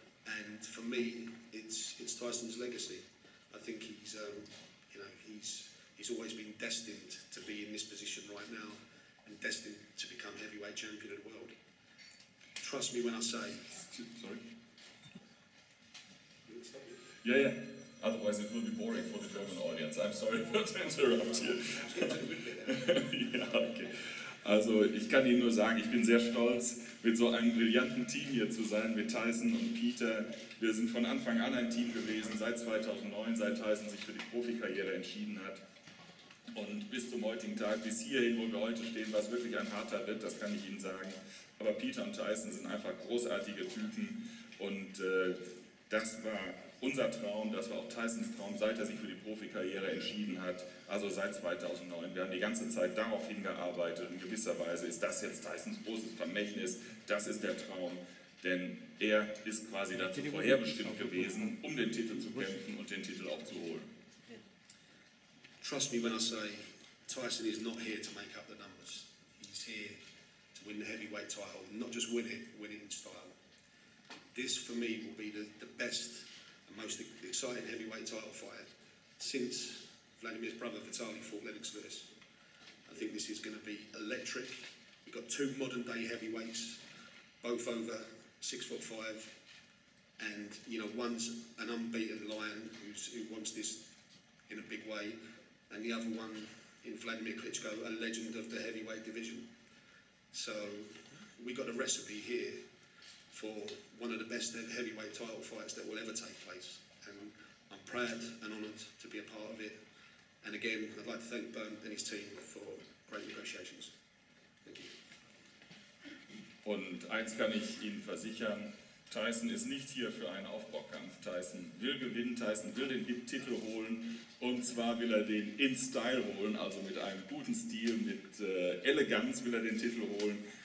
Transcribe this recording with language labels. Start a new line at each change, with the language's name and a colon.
English: And for me, it's Tyson's legacy. I think he's, you know, he's always been destined to be in this position right now and destined to become heavyweight champion of the world. Trust me when I say... Sorry? Yeah, yeah. Otherwise it will be boring for the German audience. I'm sorry for to interrupt you. Yeah, okay.
German: Also ich kann Ihnen nur sagen, ich bin sehr stolz, mit so einem brillanten Team hier zu sein, mit Tyson und Peter. Wir sind von Anfang an ein Team gewesen, seit 2009, seit Tyson sich für die Profikarriere entschieden hat. Und bis zum heutigen Tag, bis hierhin, wo wir heute stehen, war es wirklich ein harter Ritt, das kann ich Ihnen sagen. Aber Peter und Tyson sind einfach großartige Typen. Und das war unser Traum, das war auch Tysons Traum, seit er sich für die Profikarriere entschieden hat, also seit 2009. Wir haben die ganze Zeit darauf hingearbeitet. In gewisser Weise ist das jetzt Tysons großes Vermächtnis. Das ist der Traum, denn er ist quasi dazu vorherbestimmt gewesen, um den Titel zu kämpfen und den Titel auch zu holen.
English: Trust me when I say, Tyson is not here to make up the numbers. He's here to win the heavyweight title, not just win it, win it in style. This for me will be the best, most exciting heavyweight title fight since Wladimir's brother Vitaly fought Lennox Lewis. I think this is going to be electric. We've got two modern day heavyweights, both over 6'5", and you know, one's an unbeaten lion who wants this in a big way, and the other one in Wladimir Klitschko, a legend of the heavyweight division. So we got a recipe here for one of the best heavyweight title fights that will ever take place. And I'm proud and honoured to be a part of it. And again, I'd like to thank Bernd and his team for great negotiations. Thank you.
German: Und eins kann ich Ihnen versichern, Tyson ist nicht hier für einen Aufbaukampf. Tyson will gewinnen, Tyson will den Titel holen. Und zwar will er den in Style holen, also mit einem guten Stil, mit Eleganz will er den Titel holen.